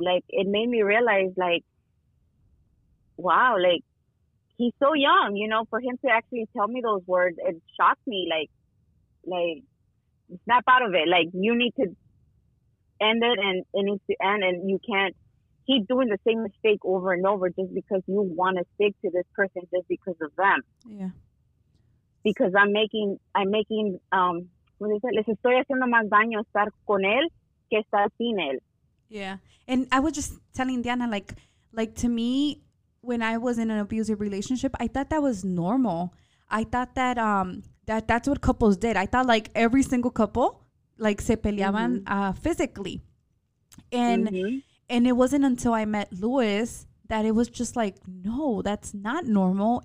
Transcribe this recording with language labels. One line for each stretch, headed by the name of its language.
English: Like, it made me realize, like, wow, like, he's so young, you know, for him to actually tell me those words, it shocked me, like, snap out of it. Like, you need to end it, and it needs to end, and you can't keep doing the same mistake over and over just because you want to stick to this person just because of them. Yeah. Because I'm making, what is it?
Spanish: Les estoy haciendo más daño estar con él que estar sin él.
English: Yeah. And I was just telling Diana, like, to me, when I was in an abusive relationship, I thought that was normal. I thought that that's what couples did. I thought, like, every single couple, like,
Spanish: se peleaban
English: physically. And and it wasn't until I met Louis that it was just like, no, that's not normal.